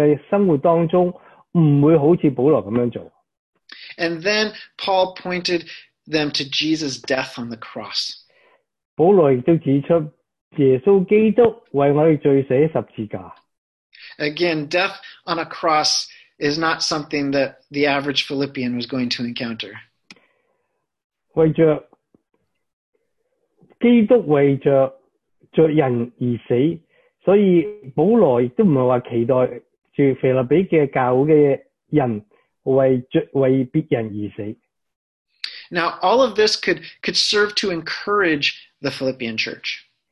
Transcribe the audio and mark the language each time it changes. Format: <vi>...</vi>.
<zh>腓立比教会的信徒,平常的生活当中,不会好像保罗这样做。</zh> <en>And then Paul pointed them to Jesus' death on the cross.</en> <zh>保罗也指出,耶稣基督为我们罪死十字架。</zh> <en>Again, death on a cross is not something that the average Philippian was going to encounter.</en> <zh>为着,基督为着罪人而死。所以保罗也不是说期待着腓立比的教会的人为别人而死。</zh> <en>Now, all of this could serve to encourage the Philippian church.</en>